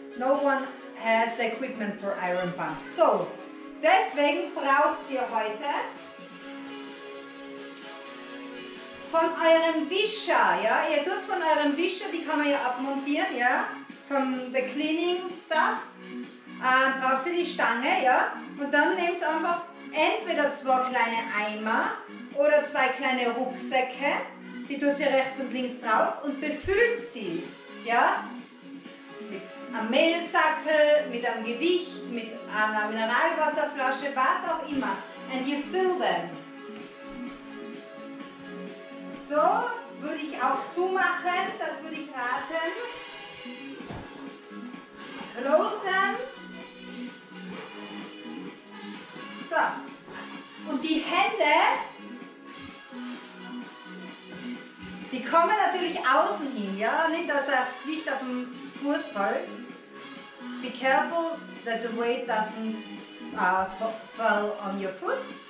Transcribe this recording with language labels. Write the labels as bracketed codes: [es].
[en] No one has the equipment for Iron Pump. [de] So, deswegen braucht ihr heute von eurem Wischer, ja, ihr tut von eurem Wischer, die kann man ja abmontieren, ja, von der [en] Cleaning Stuff, [de] braucht ihr die Stange, ja, und dann nehmt einfach entweder zwei kleine Eimer oder zwei kleine Rucksäcke, die tut ihr rechts und links drauf und befüllt sie, ja, mit einem Mehlsackel, mit einem Gewicht, mit einer Mineralwasserflasche, was auch immer, [en] and you fill them. [de] So würde ich auch zumachen, das würde ich raten. Closen. So. Und die Hände, die kommen natürlich außen hin, ja? Nicht, dass das Gewicht auf den Fuß fällt. [en] Be careful that the weight doesn't fall on your foot.